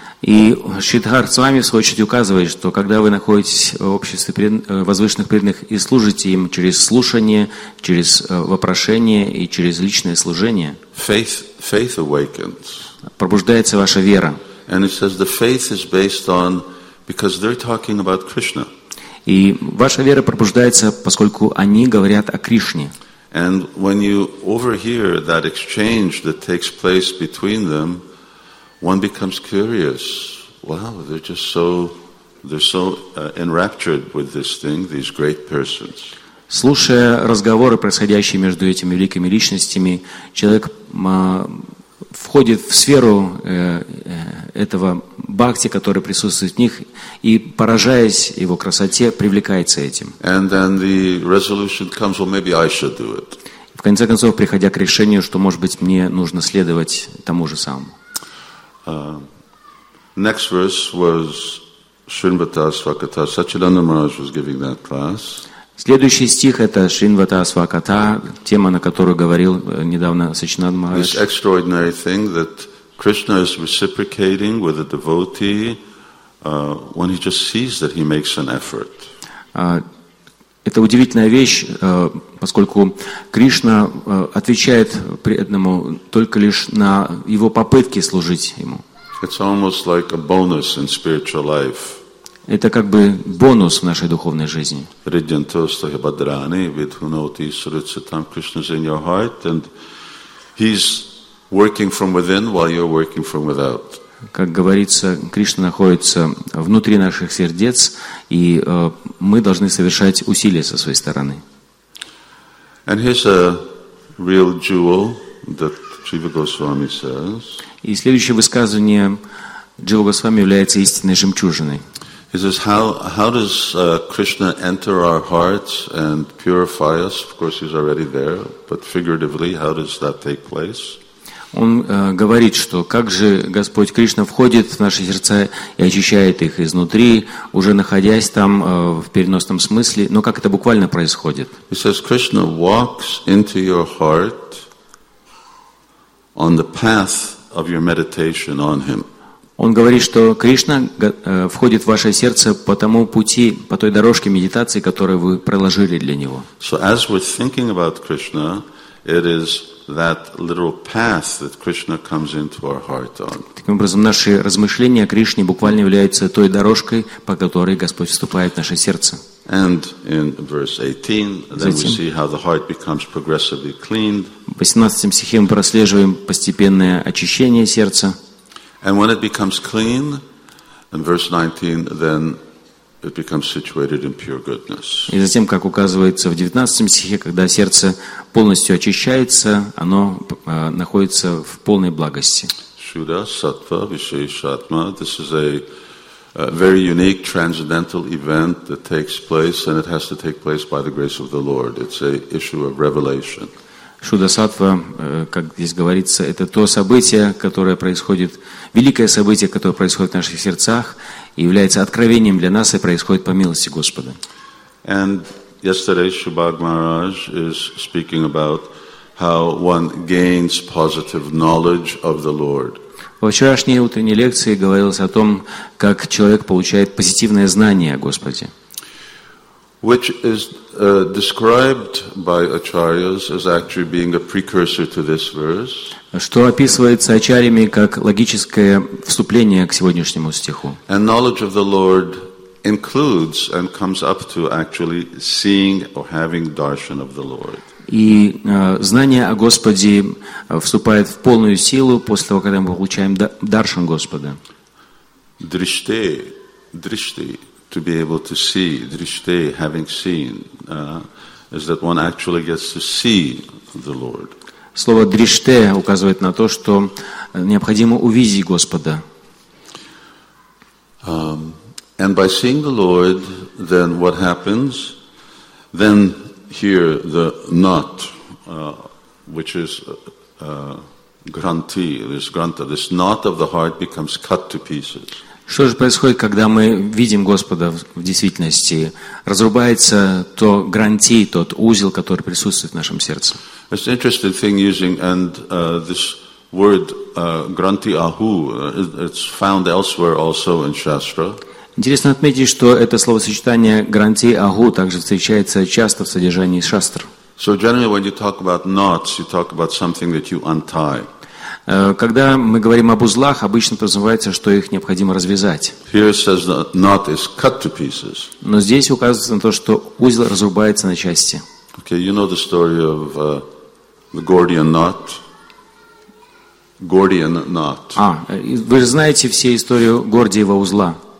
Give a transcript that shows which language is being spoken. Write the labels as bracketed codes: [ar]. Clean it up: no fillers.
[ru] И Шридхар с вами, в свою очередь, указывает, что когда вы находитесь в обществе возвышенных преданных и служите им через слушание, через вопрошение и через личное служение, [en] faith awakens. [ru] Пробуждается ваша вера. [en] And it says the faith is based on, because they're talking about Krishna. [ru] И ваша вера пробуждается, поскольку они говорят о Кришне. [en] And when you overhear that exchange that takes place between them, one becomes curious. Wow, they're so enraptured with this thing, these great persons. [ru] Слушая разговоры, происходящие между этими великими личностями, человек входит в сферу этого бхакти, который присутствует в них, и, поражаясь его красоте, привлекается этим. [en] And then the resolution comes, well, maybe I should do it. [ru] В конце концов, приходя к решению, что, может быть, мне нужно следовать тому же самому. [en] Next verse was Shrinivata Svakata. Sachidananda Maharaj was giving that class. [ru] Следующий стих — это Шринивата Свакатха, тема, на которую говорил недавно Сачинанда Махарадж. [en] This extraordinary thing that Krishna is reciprocating with a devotee when he just sees that he makes an effort. [ru] Это удивительная вещь, поскольку Кришна отвечает преданному только лишь на его попытки служить ему. [en] It's almost like a bonus in spiritual life. [ru] Это как бы бонус в нашей духовной жизни. [sa] Riddhantosta Hibadrani, Vidhunoti Sritsitam, [en] Krishna's in your heart, and he's working from within while you're working from without. [ru] Как говорится, Кришна находится внутри наших сердец, и мы должны совершать усилия со своей стороны. [en] And here's a real jewel that Jiva Goswami says. [ru] И следующее высказывание Джива Госвами является истинной жемчужиной. [en] He says, how does Krishna enter our hearts and purify us? Of course, he's already there, but figuratively, how does that take place? [ru] Он говорит, что как же Господь Кришна входит в наши сердца и очищает их изнутри, уже находясь там в переносном смысле, но как это буквально происходит? [en] He says, Krishna walks into your heart on the path of your meditation on him. [ru] Он говорит, что Кришна входит в ваше сердце по тому пути, по той дорожке медитации, которую вы проложили для Него. [en] So as we're thinking about Krishna, it is that little path that Krishna comes into our heart on. [ru] Таким образом, наши размышления о Кришне буквально являются той дорожкой, по которой Господь вступает в наше сердце. [en] And in verse 18, then we see how the heart becomes progressively cleaned. [ru] В 18 стихе мы прослеживаем постепенное очищение сердца. [en] And when it becomes clean, in verse 19, then it becomes situated in pure goodness. [ru] И затем, как указывается в 19 стихе, когда сердце полностью очищается, оно находится в полной благости. [sa] Шуда, сатва, вишешатма. [en] This is a very unique transcendental event that takes place, and it has to take place by the grace of the Lord. It's an issue of revelation. [ru] Шуда-сатва, как здесь говорится, это то событие, которое происходит, великое событие, которое происходит в наших сердцах и является откровением для нас и происходит по милости Господа. [en] And yesterday Shubhag Maharaj is speaking about how one gains positive knowledge of the Lord. [ru] Во вчерашней утренней лекции говорилось о том, как человек получает позитивное знание о Господе. [en] Which is described by acharyas as actually being a precursor to this verse. [ru] Что описывается ачарьями как логическое вступление к сегодняшнему стиху. [en] And knowledge of the Lord includes and comes up to actually seeing or having darshan of the Lord. [ru] И знание о Господе вступает в полную силу после того, когда мы получаем даршан Господа. [sa] Дриште. [en] To be able to see, drishte, having seen, is that one actually gets to see the Lord. [ru] Слово дриште указывает на то, что необходимо увидеть Господа. [en] And by seeing the Lord, then what happens? Then here the knot, which is granti, this granta, this knot of the heart becomes cut to pieces. [ru] Что же происходит, когда мы видим Господа в действительности? Разрубается то гранти, тот узел, который присутствует в нашем сердце. [en] It's an interesting thing using, and this word granti ahu it's found elsewhere also in shastra. [ru] Интересно отметить, что это словосочетание granti ahu также встречается часто в содержании шастр. [en] So generally when you talk about knots you talk about something that you untie. [ru] Когда мы говорим об узлах, обычно подразумевается, что их необходимо развязать. [en] Here it says that knot is cut to pieces. [ru] Но здесь указывается на то, что узел разрубается на части. [en] Okay, you know the story of the Gordian knot. Gordian knot. [ru] Вы же знаете все историю Гордиева узла.